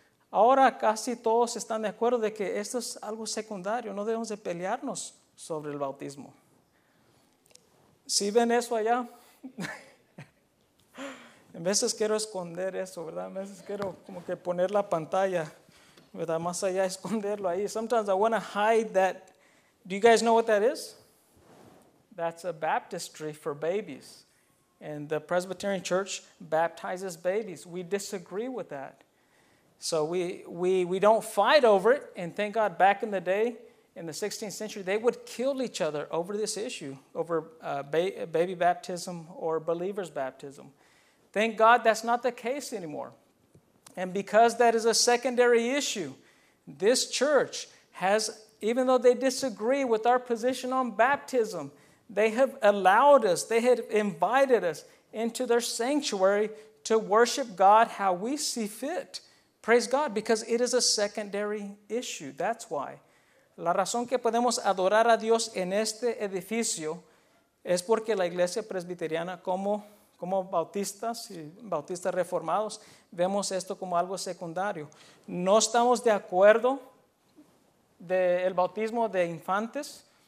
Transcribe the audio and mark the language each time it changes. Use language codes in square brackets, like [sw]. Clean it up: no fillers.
[es] Ahora casi todos están de acuerdo de que esto es algo secundario. No debemos de pelearnos sobre el bautismo. ¿Sí ven eso allá? En veces quiero esconder eso, ¿verdad? En veces quiero como que poner la pantalla, ¿verdad? Más allá, esconderlo ahí. [en] Sometimes I want to hide that. Do you guys know what that is? That's a baptistry for babies. And the Presbyterian Church baptizes babies. We disagree with that. So we don't fight over it. And thank God back in the day, in the 16th century, they would kill each other over this issue, over baby baptism or believer's baptism. Thank God that's not the case anymore. And because that is a secondary issue, this church has, even though they disagree with our position on baptism, they have allowed us, they have invited us into their sanctuary to worship God how we see fit. Praise God, because it is a secondary issue. That's why. [es] La razón que podemos adorar a Dios en este edificio es porque la iglesia presbiteriana, como bautistas y bautistas reformados, vemos esto como algo secundario. No estamos de acuerdo del bautismo de infantes.